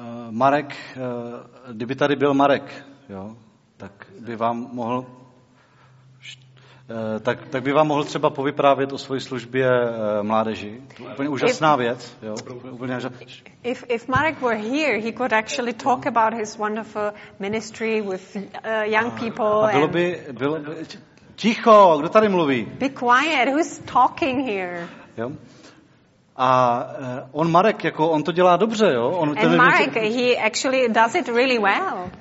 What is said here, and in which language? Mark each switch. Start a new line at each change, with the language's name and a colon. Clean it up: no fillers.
Czech: Marek, kdyby tady byl Marek, jo, tak by vám mohl tak by vám mohl třeba povyprávět o své službě mládeži. To je úplně úžasná věc, jo. Úplně
English: If Marek were here, he could actually talk about his wonderful ministry with young people.
Czech: A bylo by, bylo by ticho, kdo tady mluví?
English: Be quiet, who's talking here? Jo.
Czech: A on Marek, jako on to dělá dobře, jo. On
English: And ten Marek, he actually does it really well.